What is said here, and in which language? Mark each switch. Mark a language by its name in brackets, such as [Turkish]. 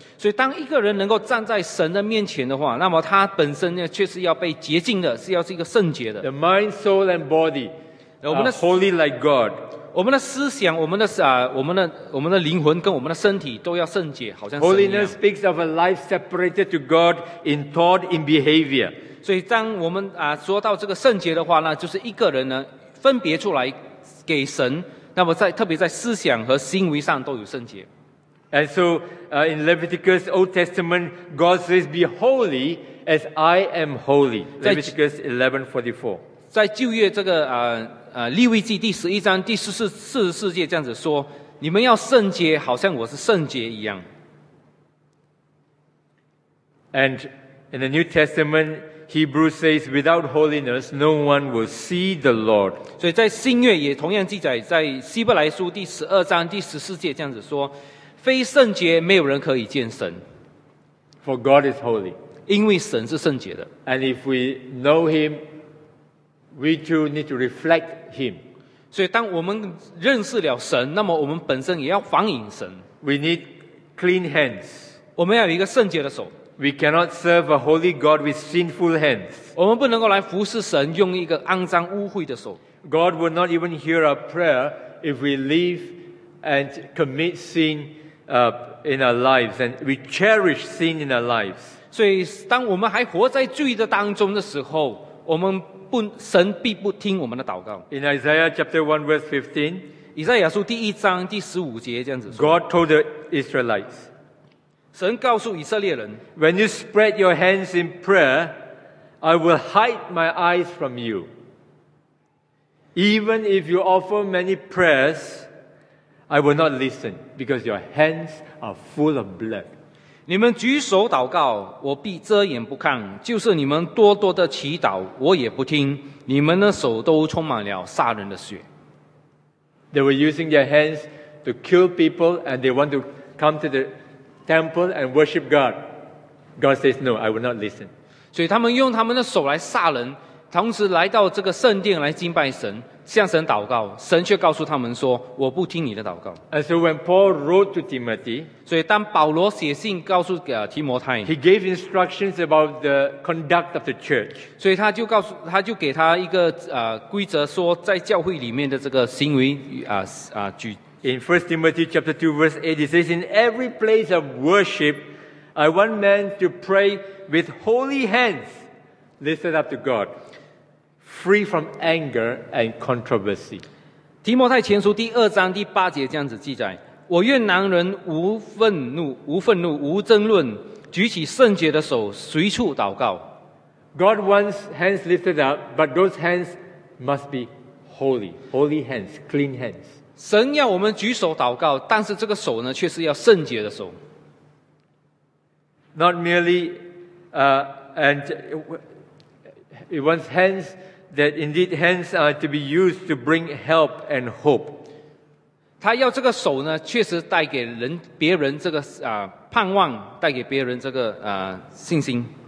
[Chinese] 所以当一个人能够站在神的面前的话，那么他本身呢却是要被洁净的，是要是一个圣洁的。 [English] The mind, soul and body are holy like God. [Chinese] 我们的思想，我们的灵魂跟我们的身体都要圣洁，好像神一样。 [English] Holiness speaks of a life separated to God in thought, in behavior. [Chinese] 所以当我们说到这个圣洁的话，那就是一个人呢分别出来给神，那么在特别在思想和行为上都有圣洁。 [English] And so, in Leviticus Old Testament, God says, "Be holy as I am holy." Leviticus 11:44. [Chinese] 在旧约这个利未记第十一章第44节这样子说，你们要圣洁，好像我是圣洁一样。 [English] And in the New Testament, Hebrews says, without holiness, no one will see the Lord. [Chinese] 所以在新约也同样记载，在希伯来书第十二章第十四节这样子说，非圣洁，没有人可以见神。 [English] For God is holy. [Chinese] 因为神是圣洁的。 [English] And if we know Him,We too need to reflect Him. [Chinese] 所以当我们认识了神，那么我们本身也要反映神。 [English] We need clean hands. [Chinese] 我们要有一个圣洁的手。 [English] We cannot serve a holy God with sinful hands. [Chinese] 我们不能够来服侍神用一个肮脏污秽的手。 [English] God will not even hear our prayer if we live and commit sin in our lives and we cherish sin in our lives. [Chinese] 所以当我们还活在罪的当中的时候，我们神必不听我们的祷告。 [English] In Isaiah chapter 1 verse 15, [Chinese] 以赛亚书第一章第十五节这样子说， [English] God told the Israelites, [Chinese] 神告诉以色列人， [English] When you spread your hands in prayer, I will hide my eyes from you. Even if you offer many prayers, I will not listen, because your hands are full of blood. [Chinese] 你们举手祷告，我必遮掩不看；就是你们多多的祈祷，我也不听。你们的手都充满了杀人的血。 [English] They were using their hands to kill people, and they want to come to the temple and worship God. God says, "No, I will not listen." [Chinese] 所以他们用他们的手来杀人，同时来到这个圣殿来敬拜神，向神祷告，神却告诉他们说，我不听你的祷告。 [English] And so when Paul wrote to Timothy, [Chinese] 所以当保罗写信告诉提摩太， [English] he gave instructions about the conduct of the church. [Chinese] 所以他就给他一个规则，说在教会里面的这个行为举。 [English] In 1 Timothy chapter 2 verse 8, it says, in every place of worship, I want men to pray with holy hands lifted up to God, free from anger and controversy. [Chinese] 提摩太前书第二章第八节这样子记载，我愿男人无愤怒无争论，举起圣洁的手随处祷告。 [English] God wants hands lifted up, but those hands must be holy. Holy hands, clean hands. [Chinese] 神要我们举手祷告，但是这个手呢却是要圣洁的手。 [English] Not merely, and it wants hands that indeed hands are to be used to bring help and hope. [Chinese] 他要这个手呢，确实带给人别人这个盼望，带给别人这个信心。